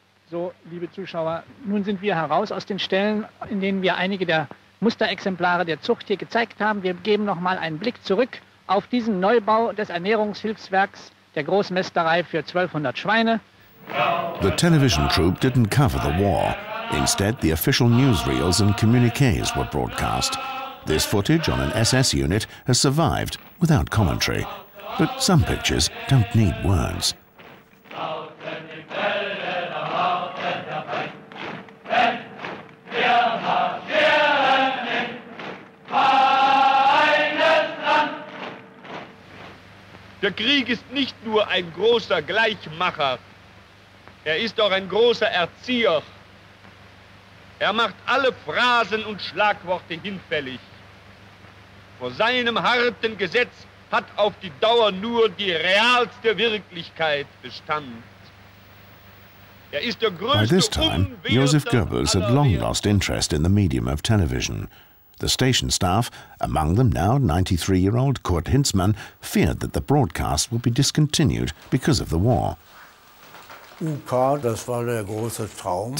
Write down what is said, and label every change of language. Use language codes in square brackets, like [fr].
[de] So, liebe Zuschauer, nun sind wir heraus aus den Ställen, in denen wir einige der Musterexemplare der Zucht hier gezeigt haben. Wir geben noch mal einen Blick zurück auf diesen Neubau des Ernährungshilfswerks der Großmästerei für 1200 Schweine. [en] The television troupe didn't cover the war. Instead, the official newsreels and communiques were broadcast. This footage on an SS unit has survived without commentary. But some pictures don't need words. [de] Der Krieg ist nicht nur ein großer Gleichmacher. Er ist auch ein großer Erzieher. Er macht alle Phrasen und Schlagworte hinfällig. Vor seinem harten Gesetz hat auf die Dauer nur die realste Wirklichkeit Bestand. Er ist der größte [en] By this time, Joseph Goebbels had long lost interest in the medium of television. The station staff, among them now 93-year-old Kurt Hintzmann, feared that the broadcast would be discontinued because of the war. [de] UK, das war der große Traum.